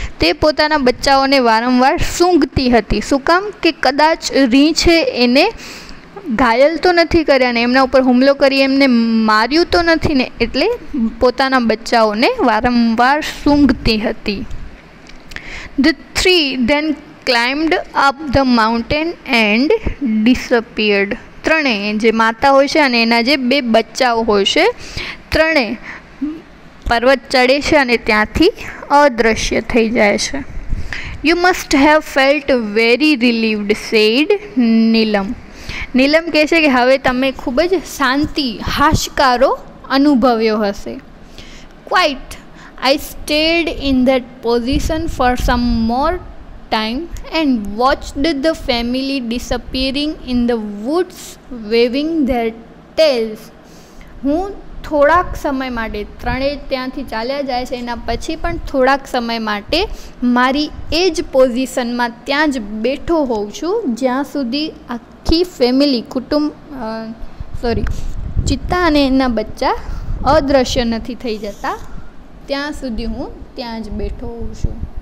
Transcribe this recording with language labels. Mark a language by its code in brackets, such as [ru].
[gu] તે પોતાના બચ્ચાઓને વારંવાર સૂંઘતી હતી, શું કામ કે કદાચ રીંછે એને ઘાયલ તો નથી કર્યા ને, એમના ઉપર હુમલો કરી એમને માર્યું તો નથી ને, એટલે પોતાના બચ્ચાઓને વારંવાર સૂંઘતી હતી. [en] The three then climbed up the mountain and disappeared. [gu] ત્રણે, જે માતા હોય છે અને એના જે બે બચ્ચાઓ હોય છે, ત્રણે પર્વત ચડે છે અને ત્યાંથી અદૃશ્ય થઈ જાય છે. [en] You must have felt very relieved, said Neelam. [gu] Neelam કહે છે કે હવે તમે ખૂબ જ શાંતિ, હાશકારો અનુભવ્યો હશે. [en] Quite. I stayed in that position for some more time and watched the family disappearing in the woods, waving their tails. [gu] હું થોડાક સમય માટે, ત્રણેય ત્યાંથી ચાલ્યા જાય છે એના પછી પણ થોડાક સમય માટે મારી એ જ પોઝિશનમાં ત્યાં જ બેઠો હોઉં છું જ્યાં સુધી આખી ફેમિલી, કુટુંબ, સોરી, ચિત્તા અને એના બચ્ચા અદૃશ્ય નથી થઈ જતા ત્યાં સુધી હું ત્યાં જ બેઠો હોઉં છું.